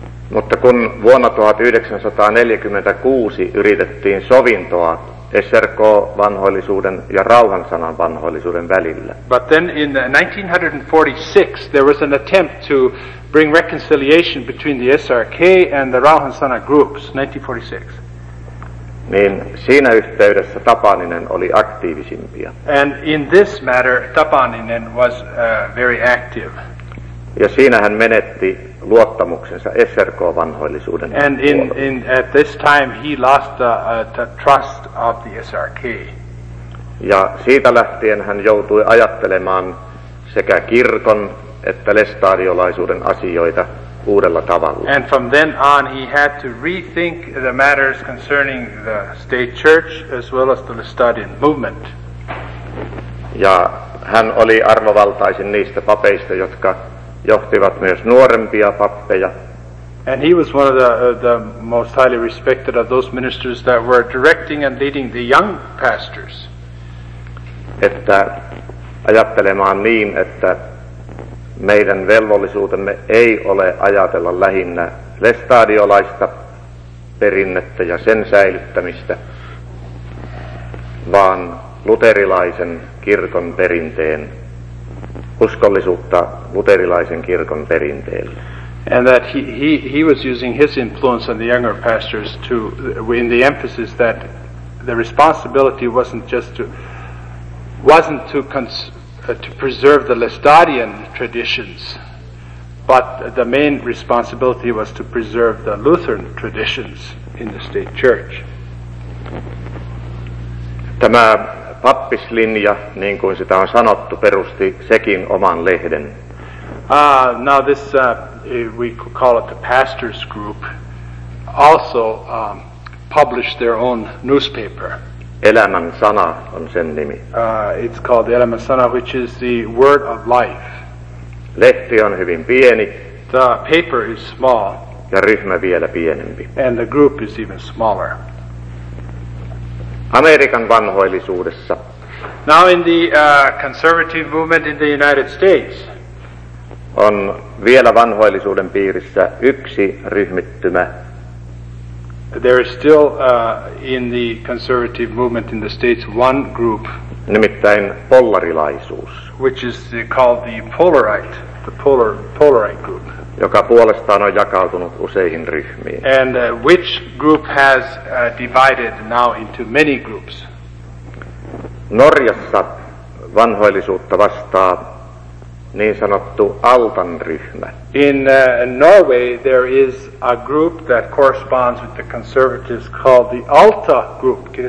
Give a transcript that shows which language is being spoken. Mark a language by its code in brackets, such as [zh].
[fi] Mutta kun vuonna 1946 yritettiin sovintoa SRK-vanhoillisuuden ja rauhansanan vanhoillisuuden välillä. [en] But then in 1946 there was an attempt to bring reconciliation between the SRK and the rauhansana groups, 1946. [fi] Niin siinä yhteydessä Tapaninen oli aktiivisimpia. [en] And in this matter Tapaninen was very active. [fi] Ja siinä hän menetti luottamuksensa SRK-vanhoillisuuden and puolelle. [en] And at this time he lost the trust of the SRK. [fi] Ja siitä lähtien hän joutui ajattelemaan sekä kirkon että lestadiolaisuuden asioita uudella tavalla. [en] And from then on he had to rethink the matters concerning the state church as well as the Lestadian movement. [fi] Ja hän oli arvovaltaisin niistä papeista, jotka johtivat myös nuorempia pappeja. [en] And he was one of the most highly respected of those ministers that were directing and leading the young pastors. [fi] Että ajattelemaan niin, että meidän velvollisuutemme ei ole ajatella lähinnä lestadiolaista perinnettä ja sen säilyttämistä, vaan luterilaisen kirkon perinteen uskollisuutta luterilaisen kirkon perinteelle. [en] And that he was using his influence on the younger pastors to in the emphasis that the responsibility wasn't to preserve the Lestadian traditions, but the main responsibility was to preserve the Lutheran traditions in the state church. [fi] Tämä pappislinja, niin kuin sitä on sanottu, perusti sekin oman lehden. [en] Now this, we call it the pastor's group, also published their own newspaper. [fi] Elämän sana on sen nimi. [en] It's called the Elämän sana, which is the word of life. [fi] Lehti on hyvin pieni. [en] The paper is small. [fi] Ja ryhmä vielä pienempi. [en] And the group is even smaller. [fi] Amerikan vanhoillisuudessa. [en] Now in the conservative movement in the United States. [fi] On vielä vanhoillisuuden piirissä yksi ryhmittymä. [en] There is still in the conservative movement in the States one group. [fi] Nimittäin polarilaisuus. [en] Which is called the polarite, the polarite group. [fi] Joka puolestaan on jakautunut useihin ryhmiin. [en] And which group has divided now into many groups? [fi] Norjassa vanhoillisuutta vastaa niin sanottu Altan ryhmä. [en] In Norway there is a group that corresponds with the conservatives called the Alta group.